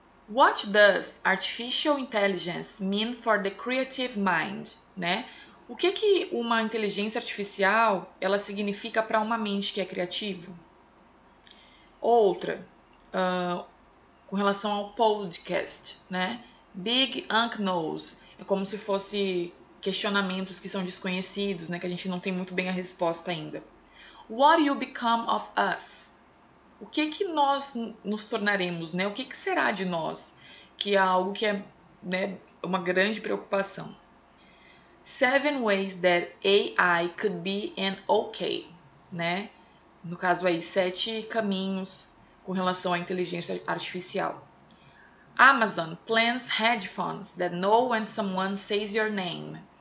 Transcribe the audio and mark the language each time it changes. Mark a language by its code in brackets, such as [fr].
[en] What does artificial intelligence mean for the creative mind, né? [pt] O que que uma inteligência artificial ela significa para uma mente que é criativa? Outra, com relação ao podcast, né? Big Unk Knows. É como se fosse questionamentos que são desconhecidos, né? Que a gente não tem muito bem a resposta ainda. [en] What will become of us? [pt] O que que nós nos tornaremos, né? O que que será de nós? Que é algo que é, né, uma grande preocupação. [en] Seven ways that AI could be an okay, né? [pt] No caso aí, sete caminhos com relação à inteligência artificial. [en] Amazon plans headphones that know when someone says your name.